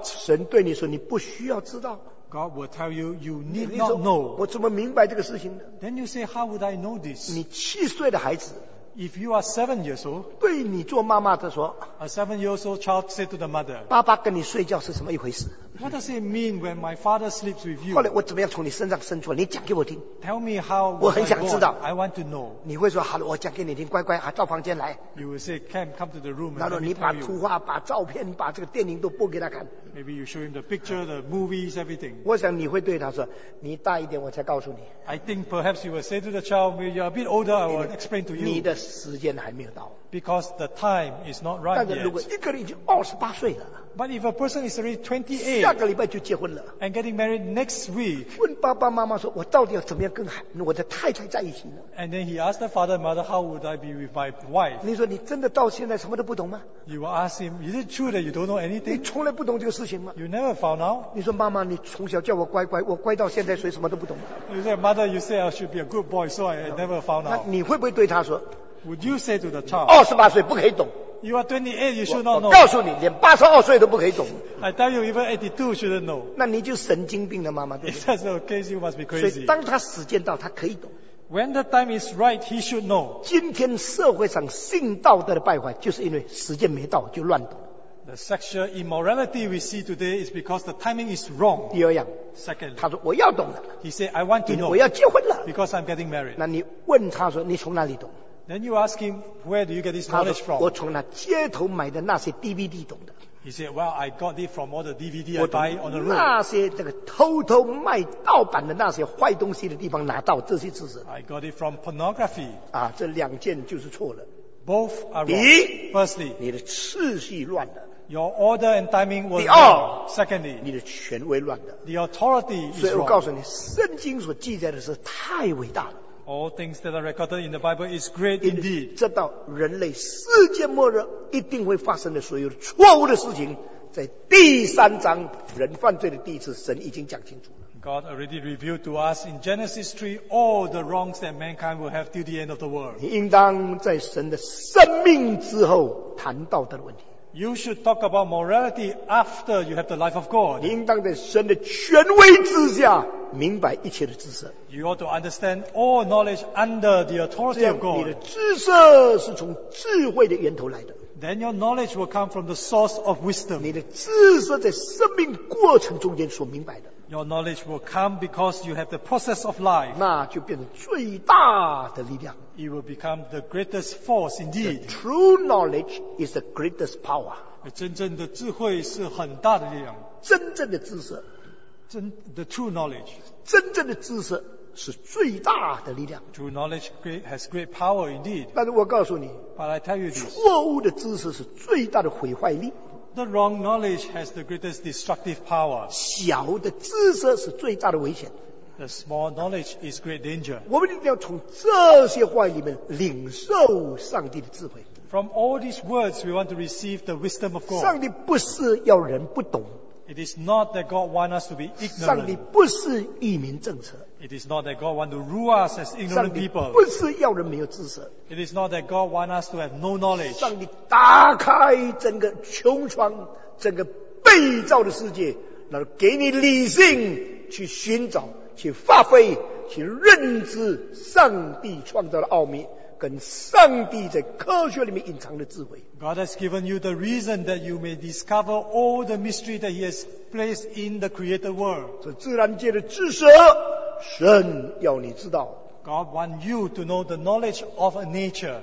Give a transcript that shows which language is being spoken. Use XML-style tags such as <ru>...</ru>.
<zh>神对你说你不需要知道。</zh> <en>God will tell you you need not know。</en> <zh>我怎么明白这个事情呢？</zh> <en>Then you say how would I know this？</en> <zh>你七岁的孩子，</zh> <en>if you are 7 years old，</en> <zh>对你做妈妈的说，</zh> <en>a 7 years old child said to the mother，</en> <zh>爸爸跟你睡觉是什么一回事？</zh> <en>What does it mean when my father sleeps with you？</en> <zh>后来我怎么样从你身上生出来？你讲给我听。</zh> <en>Tell me how。</en> <zh>我很想知道。</zh> <en>I want to know。</en> <zh>你会说好了，我讲给你听，乖乖啊，到房间来。</zh> <en>You will say come come to the room。</en> <zh>然后你把图画、把照片、把这个电影都播给他看。</zh> <en>Maybe you show him the picture, the movies, everything.</en> <zh>我想你会对他说，你大一点我才告诉你。</zh> <en>I think perhaps you will say to the child, when you're a bit older, I will explain to you.</en> <zh>你的时间还没有到。</zh> <en>Because the time is not right yet.</en> <zh>但是如果一个人已经28岁了。</zh> <en>But if a person is already 28,</en> <zh>下个礼拜就结婚了。</zh> <en>And getting married next week.</en> <zh>问爸爸妈妈说，我到底要怎么样跟我的太太在一起呢？</zh> <en>And then he asked the father and mother, how would I be with my wife?</en> <zh>你说你真的到现在什么都不懂吗？</zh> <en>You will ask him, is it true that you don't know anything?</en> <zh>你从来不懂这个事情吗？</zh> <en>You never found out?</en> <zh>你说妈妈，你从小叫我乖乖，我乖到现在谁什么都不懂吗？</zh> <en>You say, mother, you say I should be a good boy, so I never found out.</en> <zh>那你会不会对他说？</zh> <en>Would you say to the child?</en> <zh>28岁不可以懂。</zh> <en>You are 28, you should not know.</en> <zh>我告诉你，连82岁都不可以懂。</zh> <en>I tell you, even 82 shouldn't know.</en> <zh>那你就神经病了，妈妈。</zh> <en>If that's the case, you must be crazy.</en> <zh>所以当他时间到，他可以懂。</zh> <en>When the time is right, he should know.</en> <zh>今天社会上性道德的败坏，就是因为时间没到就乱懂。</zh> <en>The sexual immorality we see today is because the timing is wrong.</en> <zh>第二样。</zh> <en>Second.</en> <zh>他说我要懂了。</zh> <en>He said, I want to know.</en> <zh>我要结婚了。</zh> <en>Because I'm getting married.</en> <zh>那你问他说，你从哪里懂？</zh> <en>Then you ask him, where do you get this knowledge from?</en> <zh>我从那街头买的那些 DVD 懂的。</zh> <en>He said, well, I got it from all the DVD I buy on the road.</en> <zh>那些这个偷偷卖盗版的那些坏东西的地方拿到这些知识。</zh> <en>I got it from pornography.</en> <zh>啊，这两件就是错了。</zh> <en>Both are wrong. Firstly,</en> <zh>你的次序乱了。</zh> <en>Your order and timing was wrong.</en> <zh>第二</zh> <en>，Secondly,</en> <zh>你的权威乱了。</zh> <en>The authority is wrong.</en> <zh>所以我告诉你，圣经所记载的是太伟大了。</zh> <en>All things that are recorded in the Bible is great indeed.</en> <zh>这道人类世界末日一定会发生的所有错误的事情，在第三章人犯罪的第一次，神已经讲清楚了。</zh> <en>God already revealed to us in Genesis 3 all the wrongs that mankind will have till the end of the world.</en> <zh>你应当在神的生命之后谈道德的问题。</zh> <en>You should talk about morality after you have the life of God.</en> <zh>你应当在神的权威之下明白一切的知识。</zh> <en>You ought to understand all knowledge under the authority of God.</en> <zh>你的知识是从智慧的源头来的。</zh> <en>Then your knowledge will come from the source of wisdom.</en> <zh>你的知识在生命过程中间所明白的。</zh> <en>Your knowledge will come because you have the process of life.</en> <zh>那就变成最大的力量。</zh> <en>It will become the greatest force indeed. The true knowledge is the greatest power.</en> <zh>真正的智慧是很大的力量。真正的知识。</zh> <en>The true knowledge.</en> <zh>真正的知识是最大的力量。</zh> <en>True knowledge has great power indeed.</en> <zh>但是我告诉你。</zh> <en>But I tell you this.</en> <zh>错误的知识是最大的毁坏力。</zh> <en>The wrong knowledge has the greatest destructive power.</en> <zh>小的知识是最大的危险。</zh> <en>The small knowledge is great danger.</en> <zh>我们一定要从这些话里面领受上帝的智慧。</zh> <en>From all these words, we want to receive the wisdom of God.</en> <zh>上帝不是要人不懂。</zh> <en>It is not that God wants us to be ignorant.</en> <zh>上帝不是愚民政策。</zh> <en>It is not that God wants to rule us as ignorant people.</en> <zh>上帝不是要人没有知识。</zh> <en>It is not that God wants us to have no knowledge.</en> <zh>上帝打开整个穹苍、整个被造的世界，然后给你理性去寻找、去发挥、去认知上帝创造的奥秘。跟上帝在科学里面隐藏的智慧。</zh> <en>God has given you the reason that you may discover all the mystery that He has placed in the created world.</en> <zh>这自然界的知识，神要你知道。</zh> <en>God wants you to know the knowledge of nature.</en>